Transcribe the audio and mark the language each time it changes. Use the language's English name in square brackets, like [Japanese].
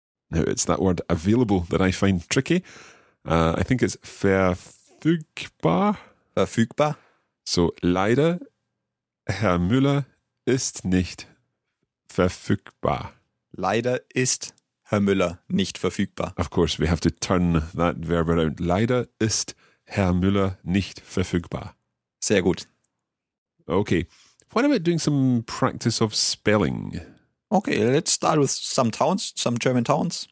[English] Now, it's that word available that I find tricky. I think it's verfügbar. [German] Verfügbar. So, leider, Herr Müller ist nicht verfügbar. Leider ist Herr Müller nicht verfügbar. [English] Of course, we have to turn that verb around. [German] Leider ist Herr Müller nicht verfügbar. Sehr gut. [English] Okay, what about doing some practice of spelling? Okay, let's start with some towns, some German towns.